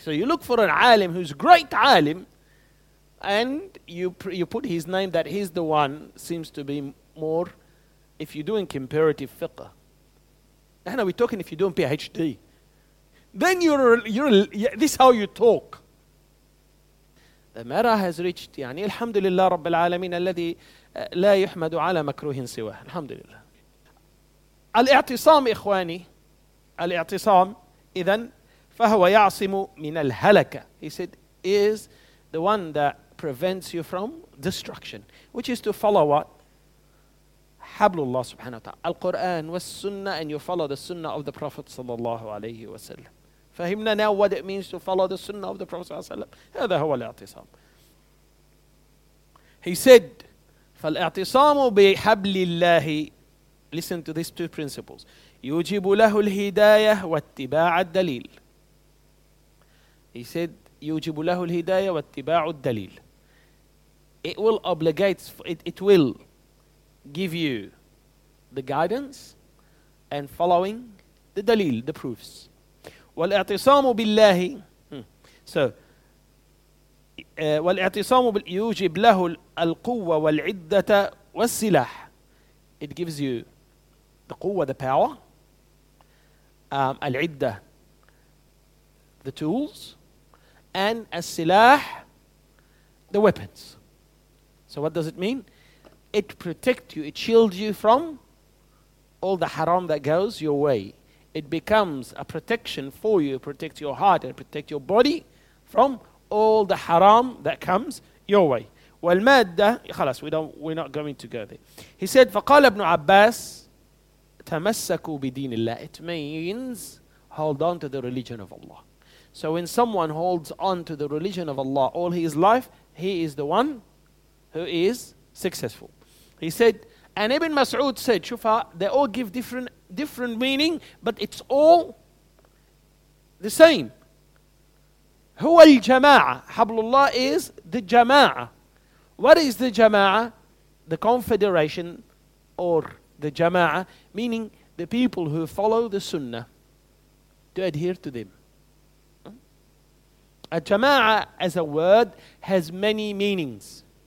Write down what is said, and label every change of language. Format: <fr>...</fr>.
<en>So you look for an alim who's great alim, and you put his name that he's the one, seems to be more, if you're doing comparative fiqh. And we're talking if you're doing PhD. Then this is how you talk. The matter has reached,</en> <ar>يعني الحمد لله رب العالمين الذي لا يحمد على مكروه سواه. الحمد لله. الاعتصام إخواني, الاعتصام إذن فهو يعصم من الهلكة.</ar> <en>He said, is the one that prevents you from destruction. Which is to follow what? حبل الله سبحانه وتعالى.</en> <ar>القرآن والسنة,</ar> <en>and you follow the sunnah of the Prophet صلى الله عليه وسلم. فهمنا now what it means to follow the sunnah of the Prophet صلى الله عليه وسلم.</en> <ar>هذا هو الاعتصام.</ar> <en>He said,</en> <ar>فالاعتصام بحبل الله,</ar> <en>listen to these two principles,</en> <ar>يوجب له الهداية واتباع الدليل.</ar> <en>He said,</en> <ar>يوجب له الهداية واتباع الدليل.</ar> <en>It will obligate, it will give you the guidance and following the dalil, the proofs.</en> <ar>والاعتصام بالله, so والاعتصام يوجب له القوة والعدة والسلاح.</ar> <en>It gives you the قوة, the power, العدة, the tools, and السلاح, the weapons. So what does it mean? It protects you, it shields you from all the haram that goes your way. It becomes a protection for you, protect your heart and protect your body from all the haram that comes your way. والمادة, خلاص, we're not going to go there. He said,</en> <ar>فقال ابن عباس, تمسكوا بدين الله.</ar> <en>It means, hold on to the religion of Allah. So when someone holds on to the religion of Allah all his life, he is the one who is successful. He said, and Ibn Mas'ud said, شوفها, they all give different meaning, but it's all the same.</en> <ar>هو الجماعة. حبل الله is the جماعة.</ar> <en>What is the جماعة? The confederation or the جماعة, meaning the people who follow the sunnah, to adhere to them. A جماعة as a word has many meanings.</en>